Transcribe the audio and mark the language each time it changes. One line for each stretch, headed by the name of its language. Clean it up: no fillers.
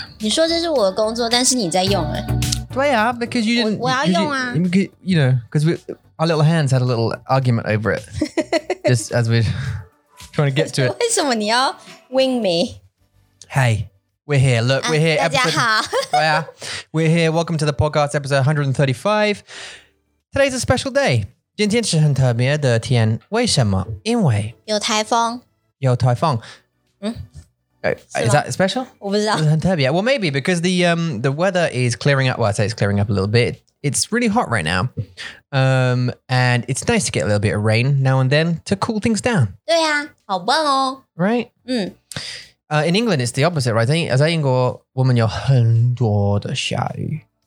Chinese: 你说这是我的工作，但是你在用了。对啊，
English: because you didn't...
Chinese: 我要用啊。
English: You, you know, because our little hands had a little argument over it. just as we're trying to get to it.
Chinese: 为什么你要
English: wing me? Hey, we're here. Look, we're here.
Chinese: 大家好。对啊。
English: We're here. Welcome to the podcast, episode 135. Today's a special day.
Chinese: 今天是很特别的天，为什么？因为有台风。有台风。
English: Is that special?
Chinese: 我不知道。很特别。
English: Well, maybe because the weather is clearing up. Well, I say it's clearing up a little bit. It's really hot right now. And it's nice to get a little bit of rain now and then to cool things down.
Chinese: 对呀、啊，好棒哦。
English: Right? In England, it's the opposite, right?
Chinese: 在英国，我们有很多的下雨。